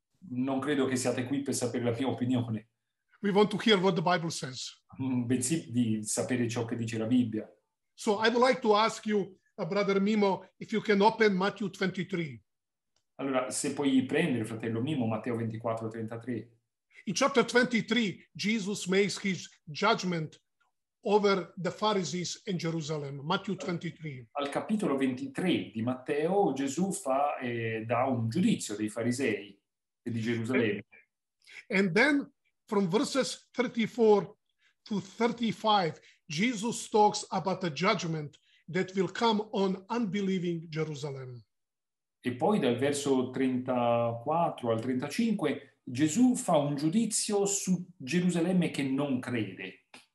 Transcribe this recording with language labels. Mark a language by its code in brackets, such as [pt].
[it] Non credo che siate qui per sapere la mia opinione. [en] We want to hear what the Bible says. [it] Bensì di sapere ciò che dice la Bibbia. [en] So I would like to ask you, brother Mimmo, if you can open Matthew 23. [it] Allora, se puoi prendere, fratello Mimmo, Matteo 24:33. [en] In chapter 23, Jesus makes his judgment over the Pharisees in Jerusalem, Matthew 23. [it] Al capitolo 23 di Matteo, Gesù dà un giudizio dei farisei e di Gerusalemme. [en] And then, from verses 34 to 35, Jesus talks about the judgment that will come on unbelieving Jerusalem. [it] E poi dal verso 34 al 35, Gesù fa un giudizio su Gerusalemme che non crede.